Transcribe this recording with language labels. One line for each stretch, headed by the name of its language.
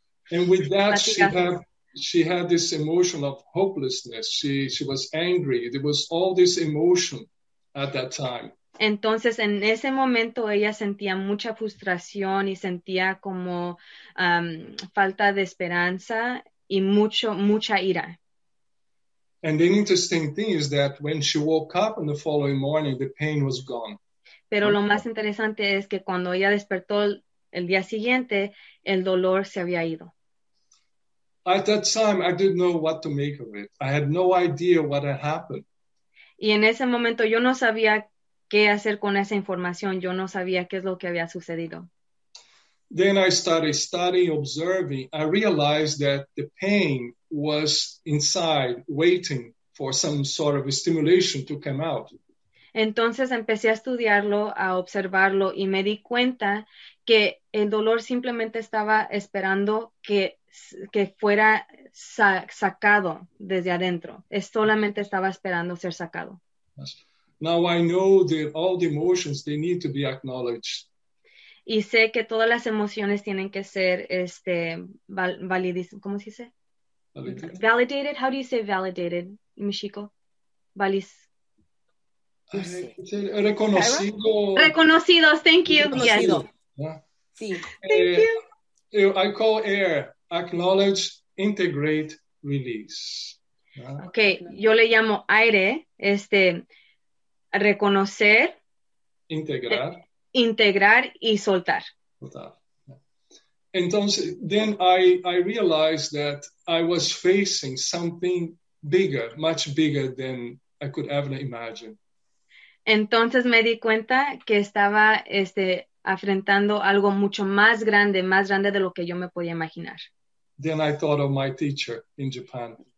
English: And with that, she had this emotion of hopelessness. She was angry. There was all this emotion at that time.
Spanish: Entonces, en ese momento, ella sentía mucha frustración y sentía como falta de esperanza y mucha ira.
English: And the interesting thing is that when she woke up on the following morning, the pain was gone.
Spanish: Pero lo más interesante es que cuando ella despertó el día siguiente, el dolor se había ido.
English: At that time, I didn't know what to make of it. I had no idea what had happened.
Spanish: Y en ese momento, yo no sabía qué hacer con esa información. Yo no sabía qué es lo que había sucedido.
English: Then I started studying, observing. I realized that the pain was inside, waiting for some sort of stimulation to come out.
Spanish: Entonces empecé a estudiarlo, a observarlo, y me di cuenta que el dolor simplemente estaba esperando que fuera sacado desde adentro. Solamente estaba esperando ser sacado.
English: Yes. Now I know that all the emotions, they need to be acknowledged.
Spanish: Y sé que todas las emociones tienen que ser validadas. ¿Cómo se dice?
English: Validated. How do you say validated, Michiko?
Spanish: Reconocido.
English: Reconocidos, thank you.
Spanish: Reconocido.
English: Yeah.
Spanish: Sí.
English: Thank you. I call air, acknowledge, integrate, release. Yeah.
Spanish: Okay, yo le llamo aire, reconocer, integrar y soltar.
English: Entonces, then I realized that I was facing something bigger, much bigger than I could ever imagine.
Spanish: Entonces me di cuenta que estaba afrontando algo mucho más grande de lo que yo me podía imaginar.
English: Then I thought of my teacher in Japan.